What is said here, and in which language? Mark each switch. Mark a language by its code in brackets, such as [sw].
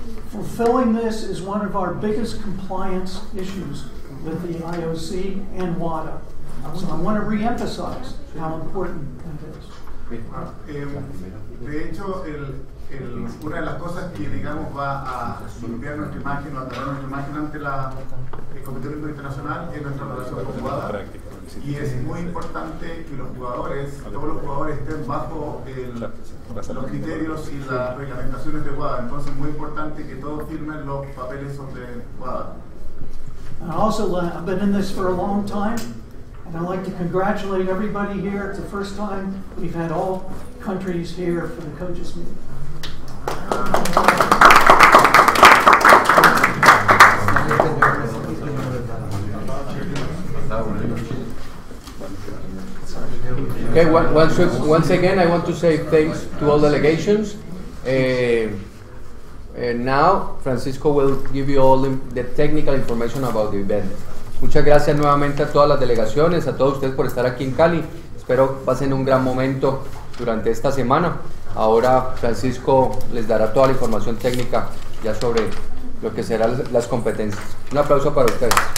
[en] Fulfilling this is one of our biggest compliance issues with the IOC and WADA. So I want to reemphasize how important that is. [es] De hecho, una de las cosas que, digamos, va a limpiar nuestra imagen o a tratar nuestra imagen ante el Comité Olímpico Internacional es nuestra relación con WADA. Y es muy importante que todos los jugadores estén bajo los criterios y las reglamentaciones de WADA. Entonces, es muy importante que todos firmen los papeles sobre WADA. [en] And also, I've been in this for a long time. And I'd like to congratulate everybody here. It's the first time we've had all countries here for the coaches' meeting. Okay, once again, I want to say thanks to all delegations. And now, Francisco will give you all the technical information about the event. [es] Muchas gracias nuevamente a todas las delegaciones, a todos ustedes por estar aquí en Cali. Espero pasen un gran momento durante esta semana. Ahora Francisco les dará toda la información técnica ya sobre lo que serán las competencias. Un aplauso para ustedes.